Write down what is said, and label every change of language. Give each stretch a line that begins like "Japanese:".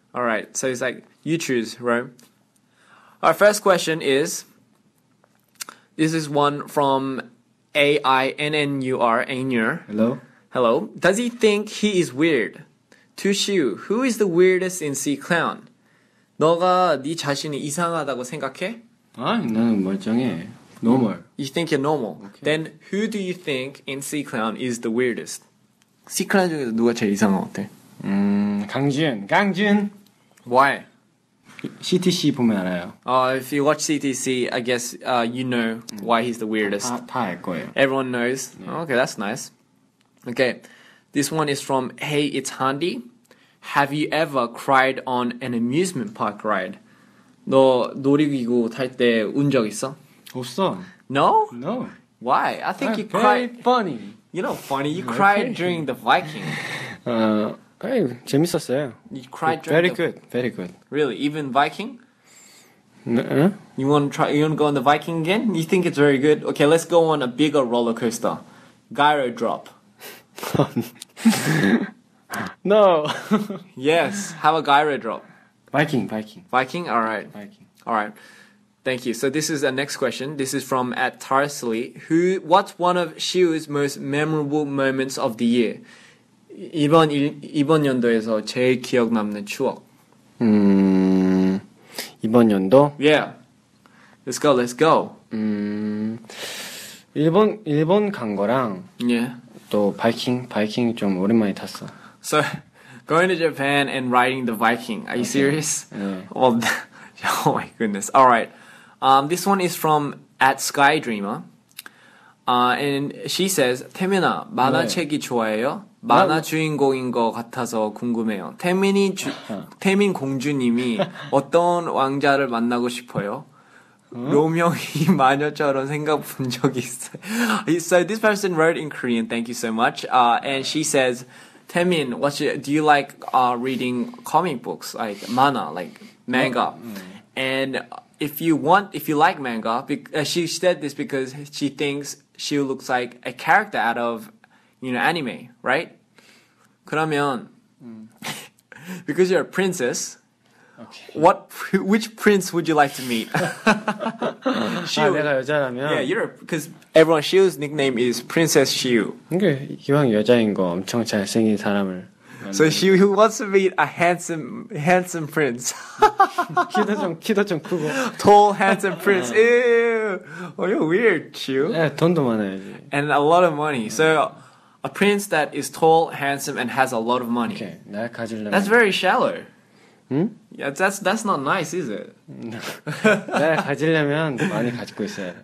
English: All right, so it's like, you choose, Rome. Our first question is... This is one from A-I-N-N-U-R, Ainur. Hello. Hello. Does he think he is weird? To Siwoo, who is the weirdest in C-Clown?
Korean: 너가 네 자신이 이상하다고 생각해? 아니, 나는 멀쩡해. Normal.
English: You think you're normal. Okay. Then who do you think in C-Clown is the weirdest?
Korean: C-Clown 중에서 누가 제일 이상한 것 같아? 강준. 강준!
English: Why?
Korean: CTC 보면 알아요.
English: If you watch CTC, I guess you know why he's the weirdest.
Korean: 다 알 거예요.
English: Everyone knows. Yeah. Okay, that's nice. Okay, this one is from Hey, it's Handy. Have you ever cried on an amusement park ride?
Korean: 너 놀이기구 탈 때 운 적 있어? 없어.
English: No? No. Why? I think I'm you cried. Funny. You're not funny. You cried during the Viking.
Korean: 아니, 재밌었어요.
English: You cried very the... good, very good. Really, even Viking? Nuh-uh. You want to try? You want to go on the Viking again? You think it's very good? Okay, let's go on a bigger roller coaster, Gyro Drop. No. Yes, have a Gyro Drop. Viking. Viking. All right. Viking. All right. Thank you. So this is our next question. This is from at Tarsley. Who? What's one of Siwoo's most memorable moments of the year?
Korean: 이번 연도에서 제일 기억 남는 추억. 이번 연도?
English: Yeah. Let's go.
Korean: 일본 간 거랑
English: yeah.
Korean: 또 바이킹 좀 오랜만에 탔어.
English: So, going to Japan and riding the Viking. Are you okay. serious? Yeah. Well, oh my goodness. All right. This one is from at Skydreamer. And she says,
Korean: 태민아, 만화책이 좋아해요? 만화 주인공인 것 같아서 궁금해요. 태민 공주님이 어떤 왕자를 만나고 싶어요? 로명이 마녀처럼 생각 본 적이 있어요.
English: So this person wrote in Korean, thank you so much. And she says, 태민, do you like reading comic books? Like manga, like manga. And if you like manga, she said this because she thinks she looks like a character out of, you know, anime, right? 그러면, because you're a princess, okay. which prince would you like to meet?
Korean: 내가 여자라면.
English: Yeah, you're because everyone Siwoo's nickname is Princess Siwoo.
Korean: 그러니까 이왕 여자인 거 엄청 잘생긴 사람을.
English: So Siwoo wants to meet a handsome prince.
Korean: 키도 좀 크고.
English: Tall handsome prince. Ew. Oh, you're weird, Siwoo.
Korean: 예, 돈도 많아야지.
English: And a lot of money. So. A prince that is tall, handsome, and has a lot of money.
Korean: Okay, 날 가지려면
English: That's very shallow.
Korean: 응?
English: Yeah, that's not nice, is it?
Korean: 날 가지려면 많이 가지고 있어야 돼.